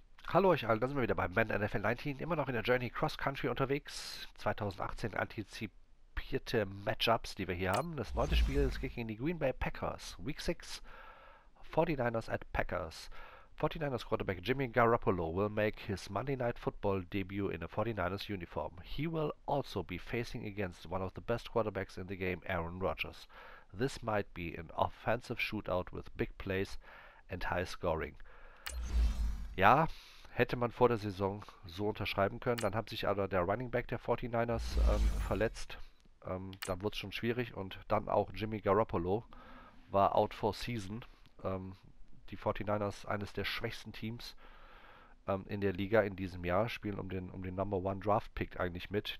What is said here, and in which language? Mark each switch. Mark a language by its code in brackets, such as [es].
[de] Hallo euch allen, da sind wir wieder beim Band NFL 19, immer noch in der Journey Cross Country unterwegs. 2018 antizipierte Matchups, die wir hier haben. Das neunte Spiel ist gegen die Green Bay Packers. [en] Week 6, 49ers at Packers. 49ers Quarterback Jimmy Garoppolo will make his Monday Night Football Debut in a 49ers Uniform. He will also be facing against one of the best Quarterbacks in the game, Aaron Rodgers. This might be an offensive shootout with big plays and high scoring. [de] Ja, hätte man vor der Saison so unterschreiben können. Dann hat sich aber der Running Back der 49ers verletzt. Dann wurde es schon schwierig. Und dann auch Jimmy Garoppolo war [en] out for season. [de] Die 49ers, eines der schwächsten Teams in der Liga in diesem Jahr, spielen um den Number One Draft Pick eigentlich mit.